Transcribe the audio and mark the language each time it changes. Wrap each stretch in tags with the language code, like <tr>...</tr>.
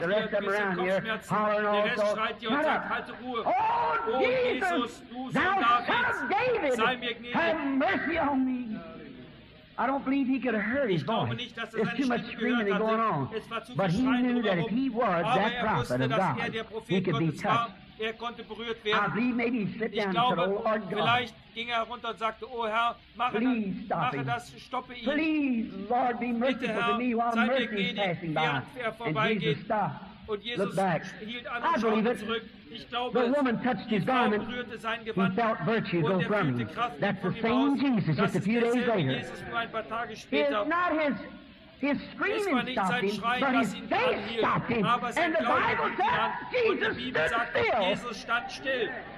<en>The rest of them around here hollering all so. Shut up. Oh, Jesus, thou son of David, have mercy on me. I don't believe he could have heard his voice. There's too much screaming going on. But he knew that if he was that prophet of God, he could be touched.</en> <de>Er konnte berührt werden. Ich glaube, vielleicht ging er herunter und sagte, oh Herr, mache das, stoppe ihn. Bitte Herr, sei mir gnädig, während er vorbeigeht. Und Jesus hielt an und schaute zurück. Ich glaube,</de> <en>the woman touched his garment. He felt virtue go from him. That's the same Jesus just a few days later. It's not his. His screaming stopped him, but his faith stopped him. And the Bible says Jesus stood still.</en>